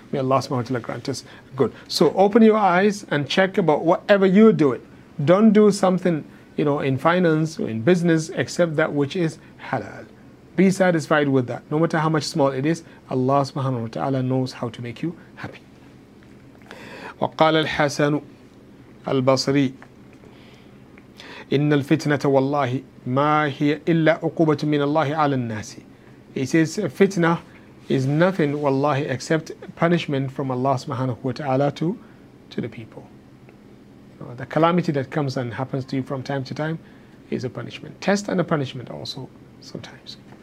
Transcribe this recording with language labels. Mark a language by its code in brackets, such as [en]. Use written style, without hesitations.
[en] May Allah subhanahu wa ta'ala grant us good. So open your eyes and check about whatever you do it. Don't do something, you know, in finance or in business except that which is halal. Be satisfied with that. No matter how much small it is, Allah subhanahu wa ta'ala knows how to make you happy. [ar] وقال الحسن البصري إن الفتنة والله ما هي إلا عقوبة من الله على الناس. [en] He says fitna is nothing wallahi except punishment from Allah subhanahu wa ta'ala to the people. You know, the calamity that comes and happens to you from time to time is a punishment. Test and a punishment also sometimes.